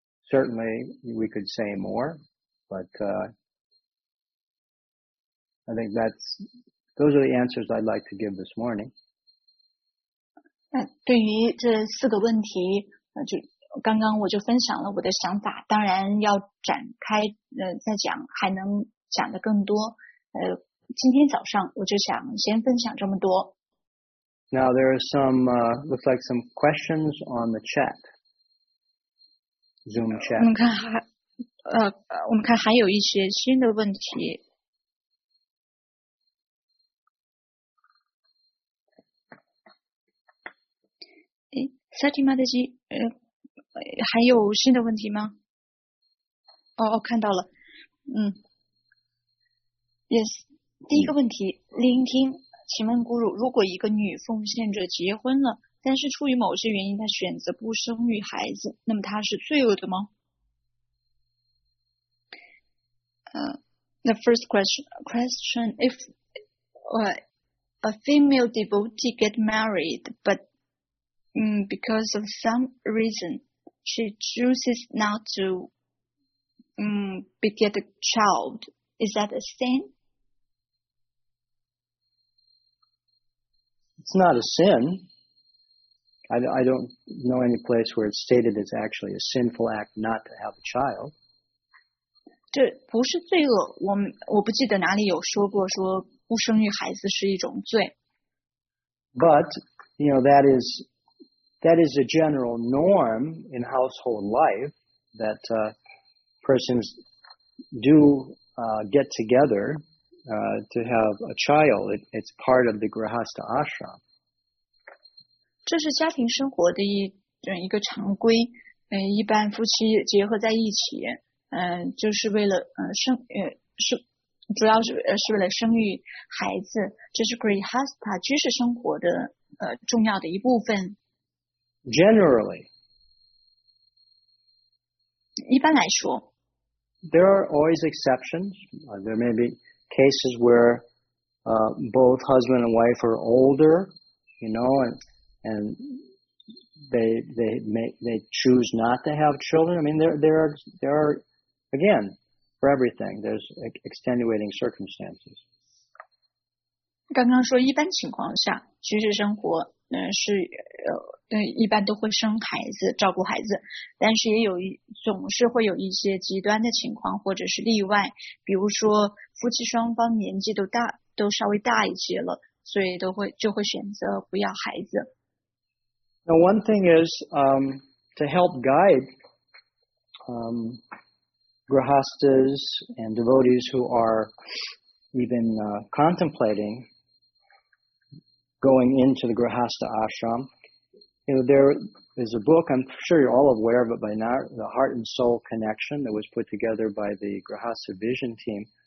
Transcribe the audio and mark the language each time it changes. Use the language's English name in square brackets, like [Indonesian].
[English] Certainly we could say more, but I think those are the answers I'd like to give this morning. [Chinese] 对于这四个问题，就刚刚我就分享了我的想法，当然要展开再讲，还能讲得更多。今天早上我就想先分享这么多。 [English] Now there are some, looks like some questions on the chat. Zoom chat. [Chinese] 我们看还有一些新的问题。 Satimadaji, 还有新的问题吗？哦，看到了。 Yes, 第一个问题，聆听，请问 Guru, 如果一个女奉献者结婚了，但是出于某些原因她选择不生育孩子，那么她是罪恶的吗？ [English] The first question, if a female devotee get married, but because of some reason, she chooses not to beget a child, is that a sin? It's not a sin. I don't know any place where it's stated it's actually a sinful act not to have a child. [Chinese] 这不是罪恶，我不记得哪里有说过说不生育孩子是一种罪。 [English] But, you know, that is a general norm in household life, that persons do get together to have a child. It's part of the grihastha ashram. [Chinese] 这是家庭生活的一个常规，一般夫妻结合在一起。就是为了生是主要是为了生育孩子，这是 grihastha 居士生活的重要的一部分。 [English] Generally, [Chinese] 一般来说 [English] ，there are always exceptions. There may be cases where both husband and wife are older, you know, and they choose not to have children. I mean, there are Again, for everything, there's extenuating circumstances. [Chinese] 刚刚说一般情况下，居士生活，是一般都会生孩子，照顾孩子，但是也有总是会有一些极端的情况或者是例外，比如说夫妻双方年纪都稍微大一些了，所以就会选择不要孩子。 [English] Now, one thing is to help guide. Grihasthas and devotees who are even contemplating going into the grihastha ashram. You know, there is a book, I'm sure you're all aware of it by now, The Heart and Soul Connection, that was put together by the Grihastha Vision Team.